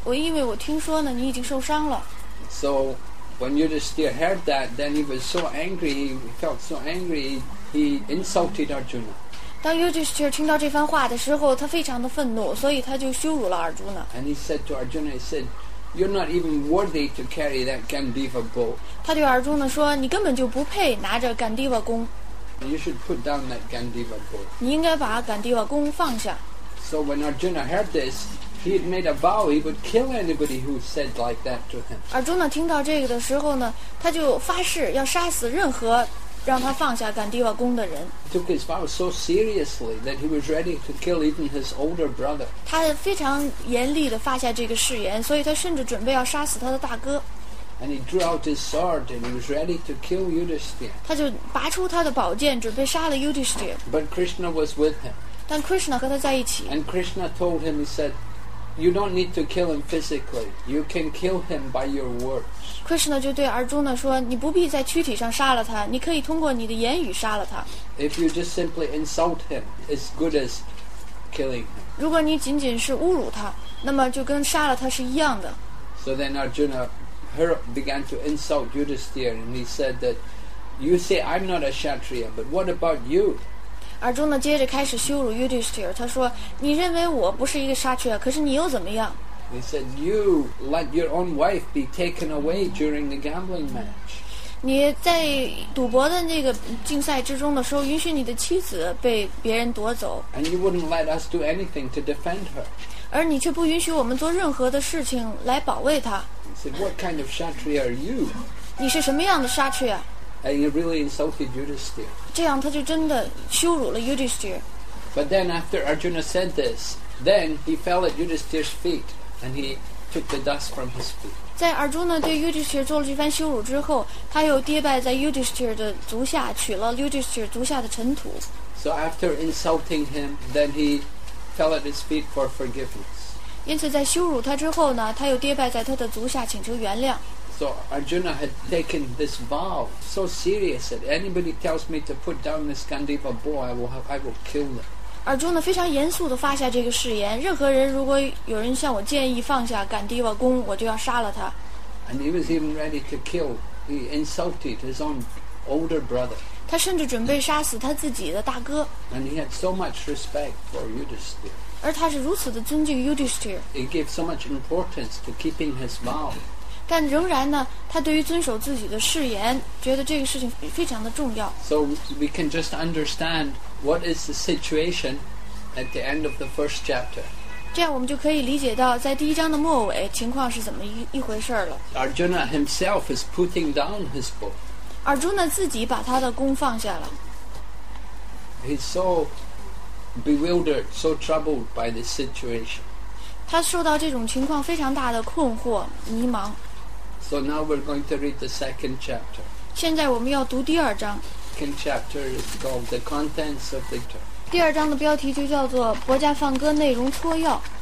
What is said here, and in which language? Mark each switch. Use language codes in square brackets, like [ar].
[zh] 我因为我听说呢，你已经受伤了。 [en] So when Yudhisthira heard that, then he was so angry. He felt so angry. He insulted Arjuna. [zh] 当 Yudhisthira 听到这番话的时候，他非常的愤怒，所以他就羞辱了 Arjuna。 [en] And he said to Arjuna, he said, "You're not even worthy to carry that Gandiva bow." [zh] 他对 Arjuna 说，你根本就不配拿着 Gandiva 弓。 [en] You should put down that Gandiva bow. [zh] 你应该把 Gandiva 弓放下。 [en] So when Arjuna heard this, he had made a vow he would kill anybody who said like that to him. [zh] Arjuna 听到这个的时候呢，他就发誓要杀死任何。让他放下甘地瓦宫的人。 [en] He took his vow so seriously that he was ready to kill even his older brother. [zh] 他非常严厉地发下这个誓言，所以他甚至准备要杀死他的大哥。 [en] And he drew out his sword and he was ready to kill Yudhisthira. [zh] 他就拔出他的宝剑，准备杀了 Yudhisthira. [en] But Krishna was with him. [zh] 但 Krishna 和他在一起。 [en] And Krishna told him, he said, "You don't need to kill him physically. You can kill him by your words." [zh] Krishna 就对 Arjuna 说，你不必在躯体上杀了他，你可以通过你的言语杀了他。 [en] If you just simply insult him, it's good as killing him. [zh] 如果你仅仅是侮辱他，那么就跟杀了他是一样的。 [en] So then Arjuna began to insult Yudhisthira, and he said that, "You say I'm not a Kshatriya, but what about you?" [zh] Arjuna 接着开始羞辱 Yudhisthira, 他说，你认为我不是一个 Kshatriya, 可是你又怎么样？ [en] He said, "You let your own wife be taken away during the gambling match." [zh] 你在赌博的那个竞赛之中的时候，允许你的妻子被别人夺走。 [en] And you wouldn't let us do anything to defend her. [zh] 而你却不允许我们做任何的事情来保卫她。 [en] He said, "What kind of Kshatriya are you?" [zh] 你是什么样的 Kshatriya? [en] And he really insulted Yudhisthira. [zh] 这样他就真的羞辱了 Yudhisthira. [en] But then, after Arjuna said this, then he fell at Yudhisthira's feet. And he took the dust from his feet. [zh] 在 Arjuna 对 Yudhisthira 做了这番羞辱之后，他又跌拜在 Yudhisthira 的足下，取了 Yudhisthira 足下的尘土。 [en] So after insulting him, then he fell at his feet for forgiveness. [zh] 因此在羞辱他之后呢，他又跌拜在他的足下请求原谅。 [en] So Arjuna had taken this vow so serious that anybody tells me to put down this Gandiva bow, I will kill them. [zh] 尔朱呢非常严肃地发下这个誓言，任何人如果有人向我建议放下甘地瓦弓，我就要杀了他。 [en] And he was even ready to kill. He insulted his own older brother. [zh] 他甚至准备杀死他自己的大哥。 [en] And he had so much respect for Yudhisthira. [zh] 而他是如此的尊敬 Yudhisthira. [en] He gave so much importance to keeping his vow. [zh] 但仍然呢，他对于遵守自己的誓言，觉得这个事情非常的重要。 [en] So we can just understand. What is the situation at the end of the first chapter? [zh] 这样我们就可以理解到，在第一章的末尾，情况是怎么一回事了。 [en] Arjuna himself is putting down his bow. [zh] Arjuna 自己把他的弓放下了。 [en] He's so bewildered, so troubled by this situation. [zh] 他受到这种情况非常大的困惑、迷茫。 [en] So now we're going to read the second chapter. [zh] 现在我们要读第二章。 [en] The second chapter is called The Contents of the Torah. [zh] 第二章的标题就叫做《薄伽梵歌内容戳要》。